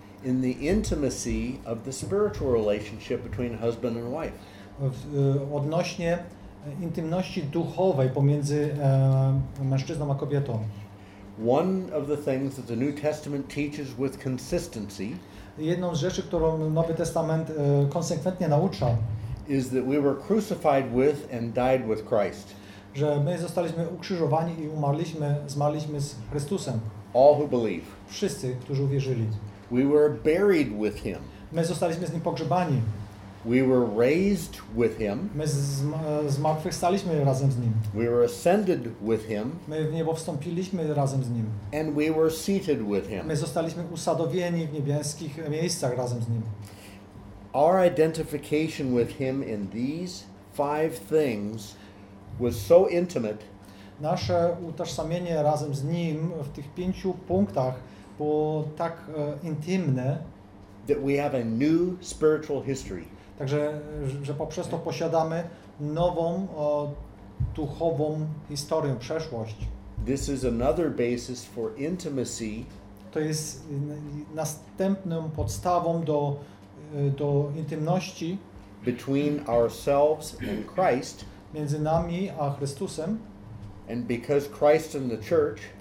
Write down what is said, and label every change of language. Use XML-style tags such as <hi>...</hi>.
<en>In the intimacy of the spiritual relationship between husband and wife.</en> <pl>Odnośnie intymności duchowej pomiędzy mężczyzną a kobietą.</pl> <en>One of the things that the New Testament teaches with consistency.</en> <pl>Jedną z rzeczy, którą Nowy Testament konsekwentnie naucza,</pl> <en>is that we were crucified with and died with Christ.</en> <pl>Że my zostaliśmy ukrzyżowani i zmarliśmy z Chrystusem.</pl> <en>All who believe.</en> <pl>Wszyscy, którzy uwierzyli.</pl> <en>We were buried with him.</en> <pl>My zostaliśmy z nim pogrzebani.</pl> <en>We were raised with him.</en> <pl>My zmartwychwstaliśmy razem z nim.</pl> <en>We were ascended with him.</en> <pl>My w niebo wstąpiliśmy razem z nim.</pl> <en>And we were seated with him.</en> <pl>My zostaliśmy usadowieni w niebiańskich miejscach razem z nim.</pl> <en>Our identification with him in these five things was so intimate.</en> <pl>Nasze utożsamienie razem z nim w tych pięciu punktach było tak intymne,</pl> <en>that we have a new spiritual history.</en> <pl>Także, że poprzez to posiadamy nową duchową historię, przeszłość.</pl> <en>This is another basis for intimacy.</en> <pl>To jest następną podstawą do intymności</pl> <en>between ourselves and Christ.</en> <pl>Między nami a Chrystusem.</pl> <en>And because Christ and the church.</en>